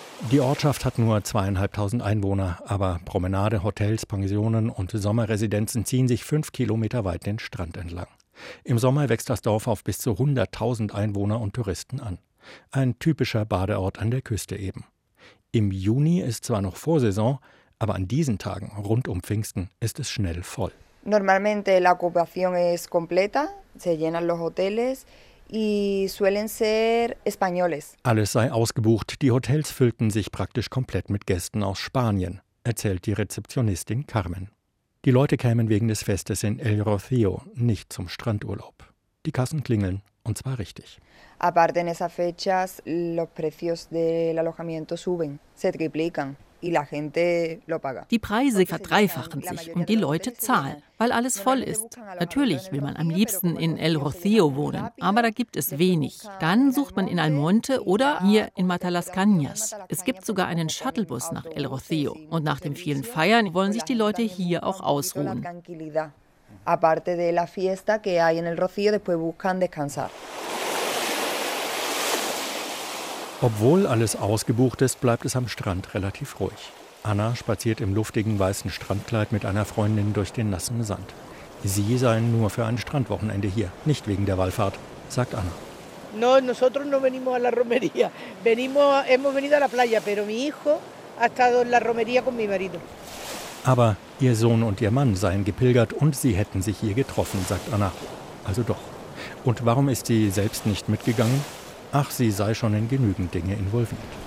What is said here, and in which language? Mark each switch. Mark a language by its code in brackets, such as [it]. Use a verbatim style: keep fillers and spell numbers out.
[de] Die Ortschaft hat nur zweieinhalbtausend Einwohner, aber Promenade, Hotels, Pensionen und Sommerresidenzen ziehen sich fünf Kilometer weit den Strand entlang. Im Sommer wächst das Dorf auf bis zu hunderttausend Einwohner und Touristen an. Ein typischer Badeort an der Küste eben. Im Juni ist zwar noch Vorsaison, aber an diesen Tagen rund um Pfingsten ist es schnell voll. [es] Normalmente la ocupación es completa, se llenan los hoteles. [de] Alles sei ausgebucht, die Hotels füllten sich praktisch komplett mit Gästen aus Spanien, erzählt die Rezeptionistin Carmen. Die Leute kämen wegen des Festes in El Rocío nicht zum Strandurlaub. Die Kassen klingeln, und zwar richtig. [es] Aparte en esas fechas, los precios del alojamiento suben, se triplican. [de] Die Preise verdreifachen sich und die Leute zahlen, weil alles voll ist. Natürlich will man am liebsten in El Rocío wohnen, aber da gibt es wenig. Dann sucht man in Almonte oder hier in Matalascañas. Es gibt sogar einen Shuttlebus nach El Rocío. Und nach den vielen Feiern wollen sich die Leute hier auch ausruhen. [es] Aparte de la fiesta que hay en El Rocío, después buscan descansar. [de] Obwohl alles ausgebucht ist, bleibt es am Strand relativ ruhig. Anna spaziert im luftigen weißen Strandkleid mit einer Freundin durch den nassen Sand. Sie seien nur für ein Strandwochenende hier, nicht wegen der Wallfahrt, sagt Anna. [es] No, nosotros no venimos a la romería. Venimos, hemos venido a la playa, pero mi hijo ha estado en la romería con mi marido. [de] Aber ihr Sohn und ihr Mann seien gepilgert und sie hätten sich hier getroffen, sagt Anna. Also doch. Und warum ist sie selbst nicht mitgegangen? Ach, sie sei schon in genügend Dinge involviert.